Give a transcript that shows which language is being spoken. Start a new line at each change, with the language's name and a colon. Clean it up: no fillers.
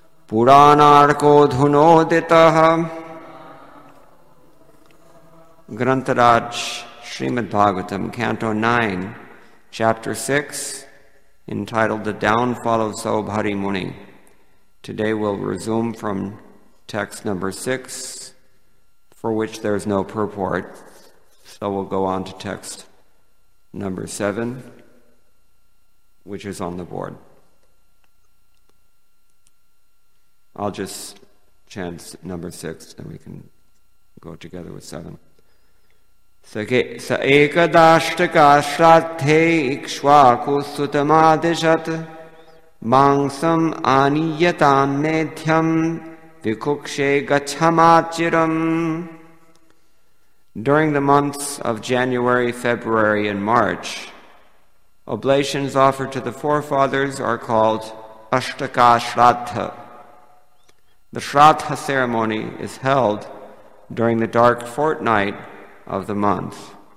Sanskrit: पुराणार्कोऽधुनोदितः ग्रन्थराज
English: Srimad Bhagavatam, Canto 9, Chapter 6, entitled The Downfall of Saubhari Muni. Today we'll resume from text number 6, for which there is no purport, so we'll go on to text number 7, which is on the board. I'll just chant number 6, then we can go together with 7.
Sanskrit: स एकदाष्टका श्राद्धेक्ष्वाकुस्तुतमादिशत् मांसम् आनीयतां मेध्यं विकुक्षे गच्छमाचिरम्
English: During the months of January, February, and March, oblations offered to the forefathers are called Ashtaka Shraddha. The Shraddha ceremony is held during the dark fortnight of the month.